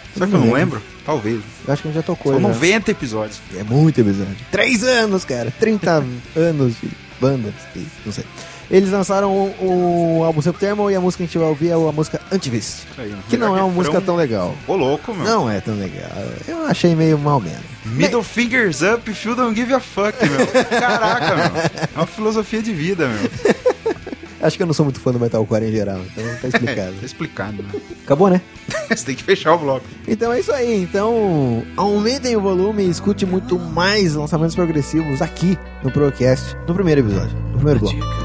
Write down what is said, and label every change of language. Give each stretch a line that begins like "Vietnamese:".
Portuguese: Será que eu não lembro? Talvez. Eu acho que a gente já tocou. São 90 episódios. É muito episódio. 3 anos, cara. 30 anos de banda. Não sei. Eles lançaram o álbum Septermo e a música que a gente vai ouvir é a música Antivist. Aí, que não é uma música tão legal. Ô louco, meu. Não é tão legal. Eu achei meio mal mesmo.
English: Middle fingers up, if you don't give a fuck,
Portuguese: meu. Caraca, meu. É uma filosofia de vida, meu. Acho que eu não sou muito fã do metalcore em geral, então tá explicado. Tá explicado, né? Acabou, né? Você tem que fechar o bloco. Então é isso aí. Então aumentem o volume e escute muito mais lançamentos progressivos aqui no ProCast, no primeiro episódio, no primeiro bloco.